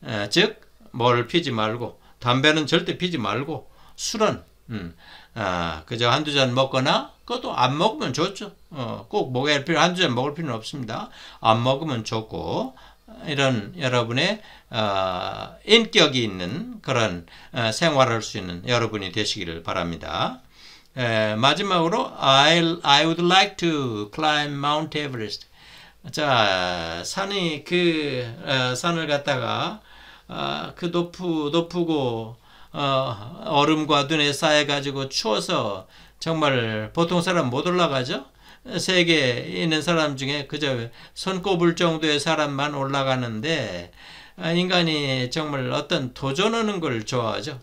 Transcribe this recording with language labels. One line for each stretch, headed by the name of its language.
Korean: 즉, 뭘 피지 말고, 담배는 절대 피지 말고, 술은 그저 한두 잔 먹거나, 그것도 안 먹으면 좋죠. 꼭 먹을 필요, 한두 잔 먹을 필요는 없습니다. 안 먹으면 좋고, 이런 여러분의 인격이 있는 그런 생활할 수 있는 여러분이 되시기를 바랍니다. 마지막으로
English: I would like to climb Mount Everest.
Korean: 자, 산이 그 산을 갔다가 그 높고 얼음과 눈에 쌓여 가지고 추워서 정말 보통 사람 못 올라가죠? 세계에 있는 사람 중에 그저 손꼽을 정도의 사람만 올라가는데 인간이 정말 어떤 도전하는 걸 좋아하죠.